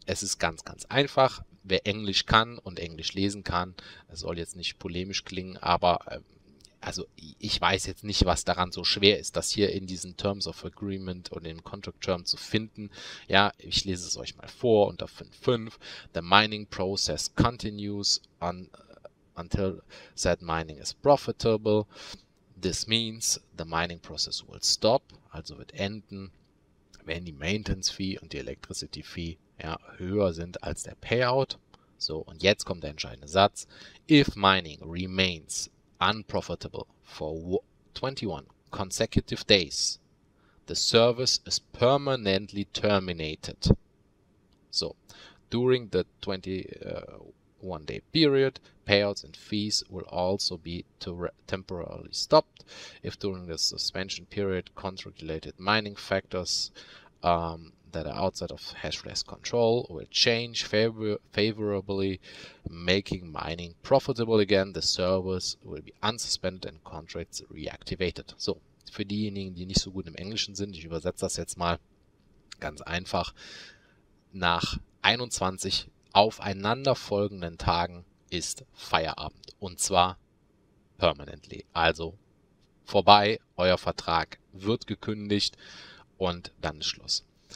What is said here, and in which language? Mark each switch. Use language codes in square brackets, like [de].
[de] Es ist ganz, ganz einfach. Wer Englisch kann und Englisch lesen kann, soll jetzt nicht polemisch klingen, aber also ich weiß jetzt nicht, was daran so schwer ist, das hier in diesen Terms of Agreement und in Contract Term zu finden. Ja, ich lese es euch mal vor unter 5.5. [en] The mining process continues until said mining is profitable. This means the mining process will stop, [de] also wird enden, wenn die Maintenance Fee und die Electricity Fee ja, höher sind als der Payout. So, und jetzt kommt der entscheidende Satz. [en] If mining remains unprofitable for 21 consecutive days, the service is permanently terminated. So, during the 21-day period, payouts and fees will also be temporarily stopped. If during the suspension period, contract-related mining factors that are outside of Hashflash control will change favorably, making mining profitable again, the service will be unsuspended and contracts reactivated. [de] So, für diejenigen, die nicht so gut im Englischen sind, ich übersetze das jetzt mal ganz einfach. Nach 21 aufeinanderfolgenden Tagen ist Feierabend und zwar permanently. Also vorbei, euer Vertrag wird gekündigt und dann ist Schluss.